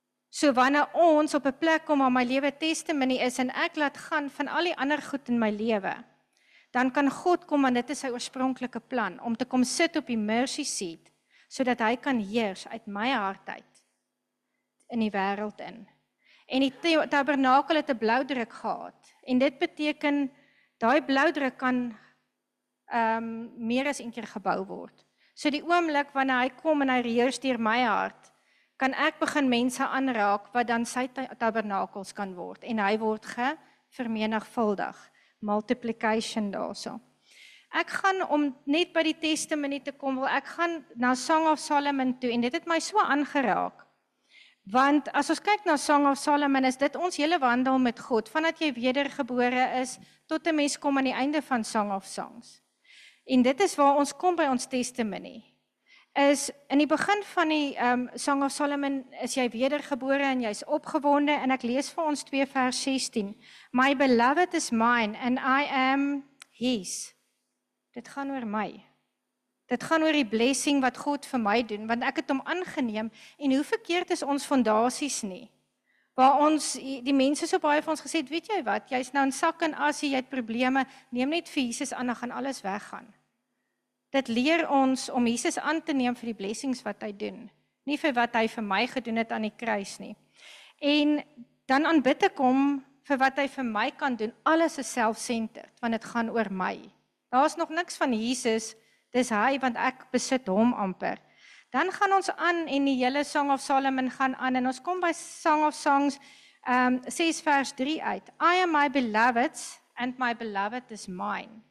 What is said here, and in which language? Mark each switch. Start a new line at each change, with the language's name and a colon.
Afrikaans: So wanneer ons op 'n plek kom waar my lewe testimony is en ek laat gaan van al die ander goed in my lewe, dan kan God kom, want dit is sy oorspronklike plan, om te kom sit op die mercy seat, sodat hy kan heers uit my hart uit in die wêreld in. En die tabernakel het 'n bloudruk gehad. En dit beteken, daai bloudruk kan meer as een keer gebou word. So die oomblik wanneer hy kom en hy reërs deur my hart, kan ek begin mense aanraak wat dan sy tabernakels kan word. En hy word vermenigvuldig, multiplication daarso. Ek gaan om net by die testimony te kom, wil ek gaan na Song of Solomon toe. En dit het my so aangeraak. Want as ons kyk na Song of Solomon, is dit ons hele wandel met God. Vandat jy wedergebore is, tot 'n mens kom aan die einde van Song of Songs. En dit is waar ons kom by ons testimony. Is in die begin van die Song of Solomon, is jy wedergebore en jy's opgewonde, en ek lees vir ons 2 vers 16.
English: My beloved is mine and I am his.
Afrikaans: Dit gaan oor my. Dit gaan oor die blessing wat God vir my doen, want ek het hom aangeneem. En hoe verkeerd is ons fondasies nie? Waar ons, die mense so baie van ons gesê, weet jy wat, jy is nou in sak en asie, jy het probleme, neem net vir Jesus aan, dan gaan alles weggaan. Dit leer ons om Jesus aan te neem vir die blessings wat hy doen, nie vir wat hy vir my gedoen het aan die kruis nie. En dan aanbid ek hom vir wat hy vir my kan doen, alles is self-centered, want dit gaan oor my. Daar is nog niks van Jesus, dis hy, want ek besit hom amper. Dan gaan ons aan en die hele Song of Solomon gaan aan en ons kom by Song of Songs 6 vers 3 uit.
English: I am my beloved's and my beloved is mine.